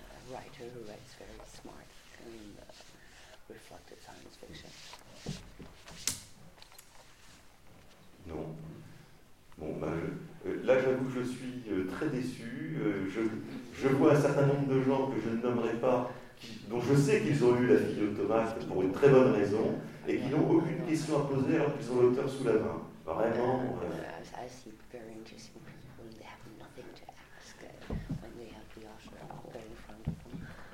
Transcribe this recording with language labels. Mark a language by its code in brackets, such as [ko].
[en] Writer who writes very smart and reflective science fiction. [fr] Non. Bon, ben, là, j'avoue que je suis très déçu. Je vois un certain nombre de gens que je ne nommerai pas, dont je sais qu'ils ont lu La fille d'Automate pour une très bonne raison, et qui n'ont aucune question à poser alors qu'ils ont l'auteur sous la main. Vraiment. [en] I see very interesting people. They have nothing to ask when they have the author out there in front of them.